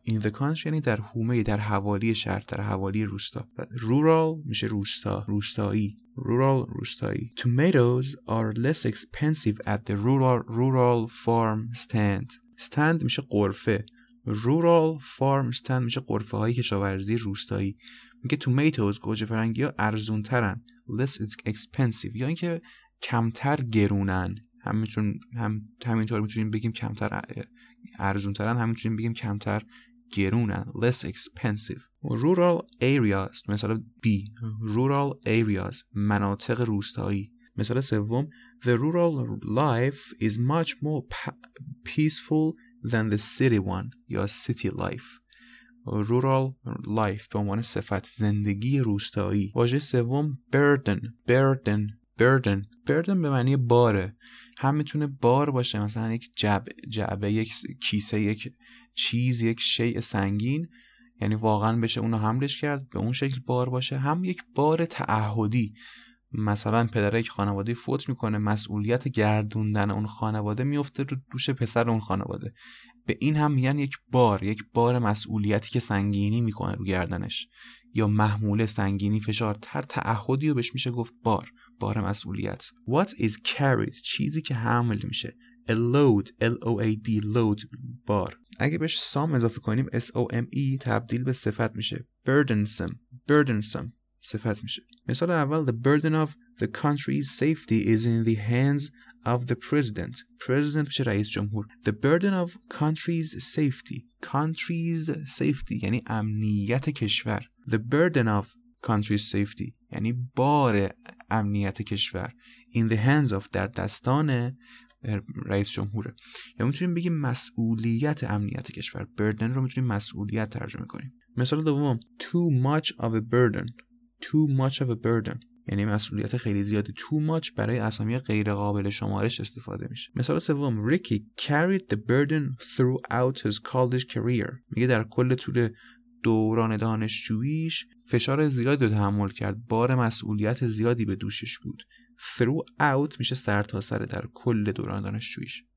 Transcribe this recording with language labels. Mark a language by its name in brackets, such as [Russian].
[English] in the country [Persian] یعنی در حومه، در حوالی شهر، در حوالی روستا. rural میشه روستا، روستایی. rural روستایی. [English] tomatoes are less expensive at the rural farm stand. [Persian] stand میشه قرفه. [English] rural farm stand [Persian] میشه قرفه های کشاورزی روستایی. میگه tomatoes گوجه فرنگی ها ارزون ترن، [English] less expensive [Persian] یعنی که کمتر گرونن. همینطور میتونیم بگیم کمتر ارزونترن، همینطوریم بگیم کمتر گرونن، [English] less expensive. rural areas [Persian] مثال B، rural areas مناطق روستایی. مثال سوم، [English] the rural life is much more peaceful than the city one یا city life. [Persian] rural life به عنوان صفت، زندگی روستایی. واژه سوم، burden به معنی باره، هم میتونه بار باشه، مثلا یک جعبه، یک کیسه، یک چیز، یک شیء سنگین، یعنی واقعا بشه اونو حملش کرد، به اون شکل بار باشه. هم یک بار تعهدی، مثلا پدر یک خانواده فوت میکنه، مسئولیت گردوندن اون خانواده میفته رو دوش پسر اون خانواده، به این هم میگن یک بار، یک بار مسئولیتی که سنگینی میکنه رو گردنش، یا محموله، سنگینی، فشار، تر تعهدی رو بهش میشه گفت بار، بار مسئولیت. [English] What is carried؟ [Persian] چیزی که حمل میشه. [English] A load، L-O-A-D، load، [Persian] بار. اگه بهش سام اضافه کنیم، S-O-M-E، تبدیل به صفت میشه. Burdensome، صفت میشه. مثال اول، [English] The burden of the country's safety is in the hands of the president. President [Persian] میشه رئیس جمهور. [English] The burden of country's safety، country's safety [Persian] یعنی امنیت کشور. [English] The burden of country's safety [Persian] یعنی بار امنیت کشور. [English] In the hands of، [Persian] در دستان رئیس جمهوره. یا میتونیم بگیم مسئولیت امنیت کشور. burden رو میتونیم مسئولیت ترجمه کنیم. مثال دوم، too much of a burden، [English] too much of a burden، [Persian] یعنی مسئولیت خیلی زیادی. [English] too much [Persian] برای اسامی غیر قابل شمارش استفاده میشه. مثال سوم، [English] Ricky carried the burden throughout his college career. [Persian] میگه در کل طول دوران دانشجوییش فشار زیادی رو تحمل کرد، بار مسئولیت زیادی به دوشش بود. throughout میشه سر تا سر در کل دوران دانشجوییش.